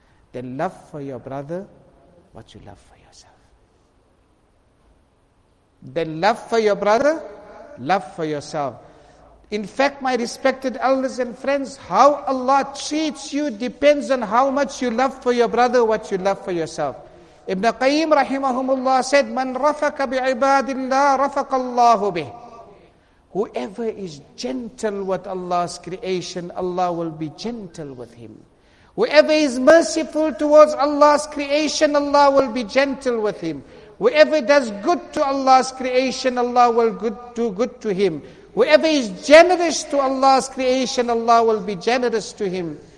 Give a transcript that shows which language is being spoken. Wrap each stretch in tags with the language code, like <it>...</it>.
<en>Then love for your brother what you love for yourself. Then love for your brother, love for yourself. In fact, my respected elders and friends, how Allah treats you depends on how much you love for your brother what you love for yourself.</en> <ar>Ibn Qayyim rahimahumullah said, "مَنْ رَفَقَ بِعِبَادِ اللَّهِ رَفَقَ اللَّهُ بِهِ."</ar> <en>Whoever is gentle with Allah's creation, Allah will be gentle with him. Whoever is merciful towards Allah's creation, Allah will be gentle with him. Whoever does good to Allah's creation, Allah will do good to him. Whoever is generous to Allah's creation, Allah will be generous to him.</en>